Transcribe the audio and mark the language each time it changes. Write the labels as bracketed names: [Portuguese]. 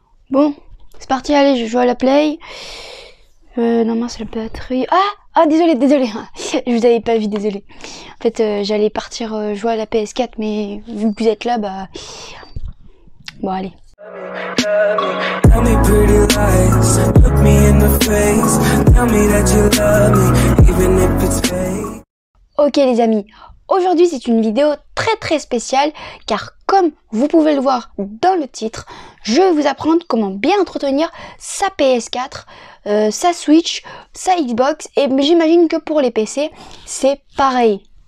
[French] Bon, c'est parti, allez, je joue à la play. Non, mince, la batterie. Ah, désolé, désolé. Je vous avais pas vu, désolé. En fait, j'allais partir jouer à la PS4, mais vu que vous êtes là, bah. Bon, allez. [English] Tell me pretty lies, look me in the face, tell me that you love me, even if it's fake. [French] Ok les amis, aujourd'hui c'est une vidéo très très spéciale car comme vous pouvez le voir dans le titre, je vais vous apprendre comment bien entretenir sa PS4, sa Switch, sa Xbox et j'imagine que pour les PC c'est pareil.